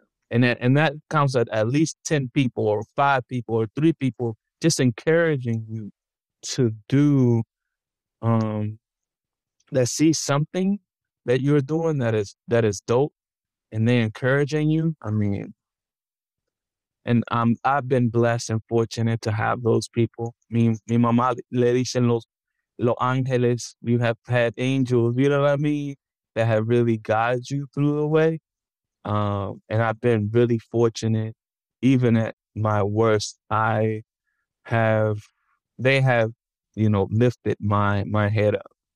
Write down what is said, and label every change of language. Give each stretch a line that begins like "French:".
English: And that counts at least 10 people or 5 people or 3 people just encouraging you to do, that see something that you're doing that is dope, and they encouraging you. I mean, and I've been blessed and fortunate to have those people.
Spanish: Mi mamá le dicen los ángeles.
English: We have had angels, you know what I mean, that have really guided you through the way. And I've been really fortunate. Even at my worst, they have, you know, lifted my head up.